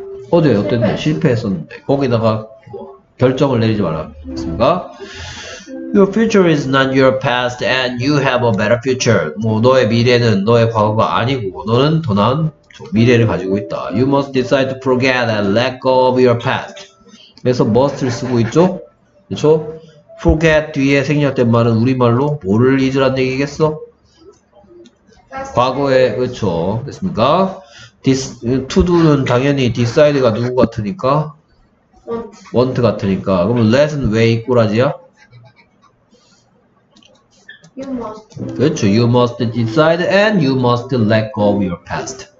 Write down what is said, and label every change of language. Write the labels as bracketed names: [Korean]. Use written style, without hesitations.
[Korean] 어제 어땠는데? 실패했었는데. 거기다가 결정을 내리지 마라. 그렇습니까? [English] Your future is not your past and you have a better future. [Korean] 뭐 너의 미래는 너의 과거가 아니고 너는 더 나은 미래를 가지고 있다. [English] You must decide to forget and let go of your past. [Korean] 그래서 must를 쓰고 있죠. 그렇죠? forget 뒤에 생략된 말은 우리말로 뭐를 잊으란 얘기겠어? 과거에. 그렇죠. 됐습니까? to do는 당연히 decide가 누구 같으니까? [English] want [Korean] 같으니까. 그럼 let은 왜 이 꼬라지야? 그렇죠. [English] You must decide and you must let go of your past.